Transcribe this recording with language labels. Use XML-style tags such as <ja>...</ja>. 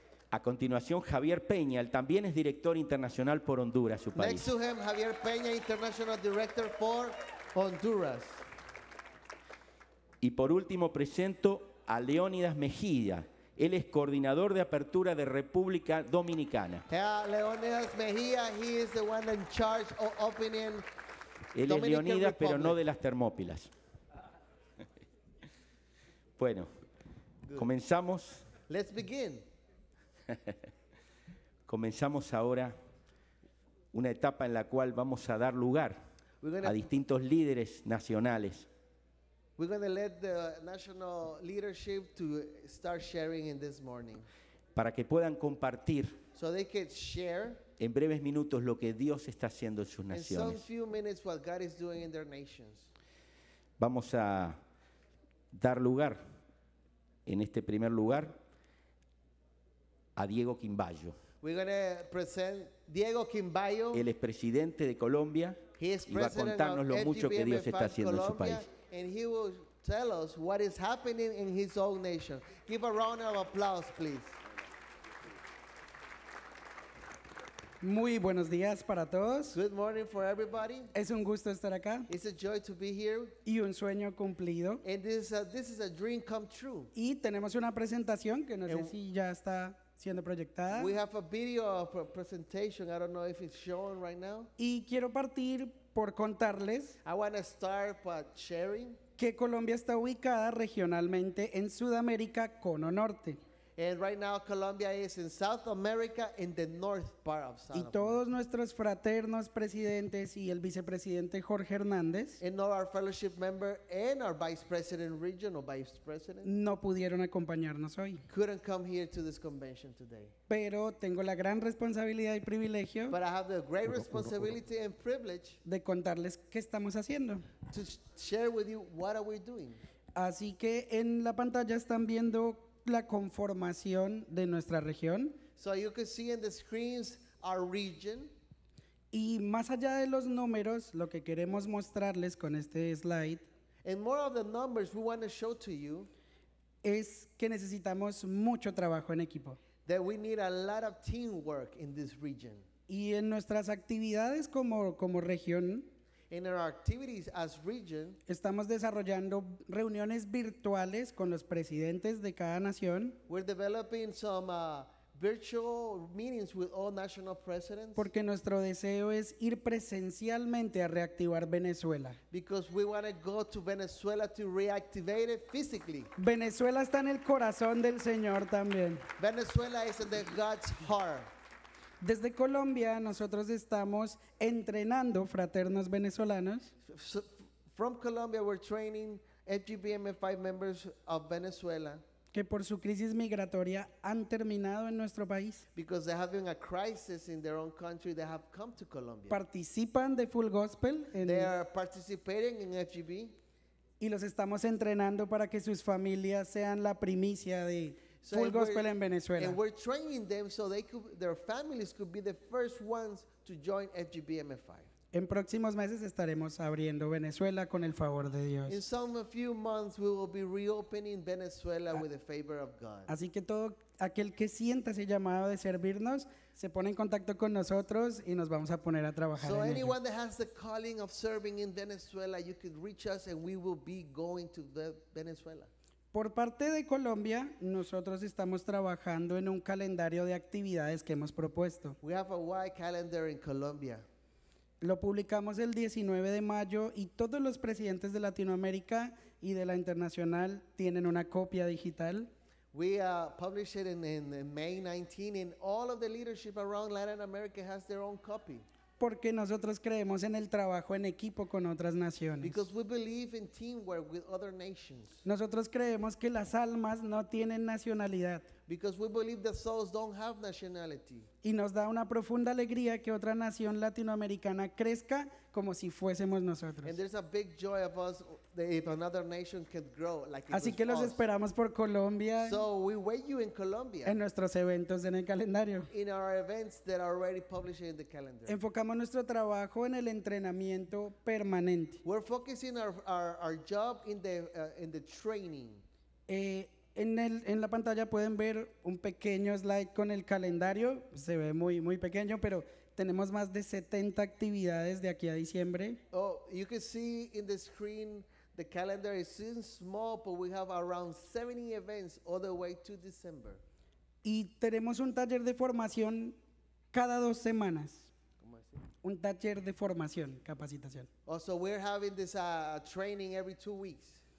<es>A continuación, Javier Peña, él también es director internacional por Honduras, su país.</es> <en>Next to him, Javier Peña, International Director for Honduras.</en> <es>Y por último, presento a Leónidas Mejía. Él es coordinador de apertura de República Dominicana. Leónidas Mejía, he is the one in charge of opening. Él es Leonidas, pero no de las Termópilas. Bueno, comenzamos.</es> <en>Let's begin.</en> <es>Comenzamos ahora una etapa en la cual vamos a dar lugar a distintos líderes nacionales.</es> <en>We're going to let the national leadership to start sharing in this morning.</en> <es>Para que puedan compartir.</es> <en>So they could share.</en> <es>En breves minutos lo que Dios está haciendo en sus naciones.</es> <en>In some few minutes what God is doing in their nations.</en> <es>Vamos a dar lugar en este primer lugar a Diego Quimbayo.</es> <en>We're going to present Diego Quimbayo.</en> <es>Él es presidente de Colombia.</es> <en>He is</en> <es>y va a contarnos lo mucho que Dios está haciendo Colombia, en su país.</es> <en>And he will tell us what is happening in his own nation. Give a round of applause, please.</en> <es>Muy buenos días para todos.</es> <en>Good morning for everybody.</en> <es>Es un gusto estar acá.</es> <en>It's a joy to be here.</en> <es>Y un sueño cumplido.</es> <en>And this is a dream come true.</en> <es>Y tenemos una presentación que no sé si ya está siendo proyectada.</es> <en>We have a video of a presentation. I don't know if it's showing right now.</en> <es>Y quiero partir por contarles.</es> <en>I want to start by sharing</en> <es>que Colombia está ubicada regionalmente en Sudamérica, Cono Norte.</es> <en>And right now Colombia is in South America in the north part of South</en> <es>Y todos nuestros fraternos presidentes y el vicepresidente Jorge Hernández.</es> <en>And all our fellowship member and our vice president, regional vice president.</en> <es>No pudieron acompañarnos hoy.</es> <en>Couldn't come here to this convention today.</en> <es>Pero tengo la gran responsabilidad y privilegio.</es> <en>But I have the great responsibility and privilege.</en> <es>De contarles qué estamos haciendo.</es> <en>To share with you what are we doing.</en> <es>Así que en la pantalla están viendo la conformación de nuestra región.</es> <en>So you can see in the screens our region.</en> <es>Y más allá de los números, lo que queremos mostrarles con este slide.</es> <en>And more of the numbers we want to show to you.</en> <es>Es que necesitamos mucho trabajo en equipo.</es> <en>That we need a lot of teamwork in this region.</en> <es>Y en nuestras actividades como región.</es> <en>In our activities as region,</en> <es>estamos desarrollando reuniones virtuales con los presidentes de cada nación.</es> <en>We're developing some virtual meetings with all national presidents.</en> <es>Porque nuestro deseo es ir presencialmente a reactivar Venezuela.</es> <en>Because we want to go to Venezuela to reactivate it physically.</en> <es>Venezuela está en el corazón del Señor también.</es> <en>Venezuela is in God's heart.</en> <es>Desde Colombia nosotros estamos entrenando fraternos venezolanos.</es> <en>So, from Colombia we're training FGBMFI members of Venezuela.</en> <es>Que por su crisis migratoria han terminado en nuestro país.</es> <en>Because they're having a crisis in their own country, they have come to Colombia.</en> <es>Participan de Full Gospel.</es> <en>They are participating in FGB.</en> <es>Y los estamos entrenando para que sus familias sean la primicia de Full Gospel en Venezuela.</es> <en>And we're training them so they could, their families could be the first ones to join FGBMFI.</en> <es>En próximos meses estaremos abriendo Venezuela con el favor de Dios.</es> <en>In some few months we will be reopening Venezuela with the favor of God.</en> <es>Así que todo aquel que sienta ese llamado de servirnos se pone en contacto con nosotros y nos vamos a poner a trabajar.</es> <en>So anyone that has the calling of serving in Venezuela, you can reach us and we will be going to Venezuela.</en> <es>Por parte de Colombia, nosotros estamos trabajando en un calendario de actividades que hemos propuesto.</es> <en>We have a wide calendar in Colombia.</en> <es>Lo publicamos el 19 de mayo y todos los presidentes de Latinoamérica y de la internacional tienen una copia digital.</es> <en>We published it in May 19 and all of the leadership around Latin America has their own copy.</en> <es>Porque nosotros creemos en el trabajo en equipo con otras naciones.</es> <en>Because we believe in teamwork with other nations.</en> <es>Nosotros creemos que las almas no tienen nacionalidad.</es> <en>Because we believe the souls don't have nationality.</en> <es>Y nos da una profunda alegría que otra nación latinoamericana crezca como si fuésemos nosotros.</es> <en>And there's a big joy of us if another nation can grow like it was.</en> <es>Así que los esperamos por Colombia.</es> <en>So we wait you in Colombia.</en> <es>En nuestros eventos en el calendario.</es> <en>In our events that are already published in the calendar.</en> <es>Enfocamos nuestro trabajo en el entrenamiento permanente.</es> <en>We're focusing our job in the training.</en> <es>En la pantalla pueden ver un pequeño slide con el calendario. Se ve muy, muy pequeño, pero tenemos más de 70 actividades de aquí a diciembre.</es> <en>Oh, you can see in the screen, the calendar is still small, but we have around 70 events all the way to December.</en> <es>Y tenemos un taller de formación cada dos semanas. ¿Cómo es? Un taller de formación, capacitación.</es> <en>Oh, so we're having this training every 2 weeks.</en>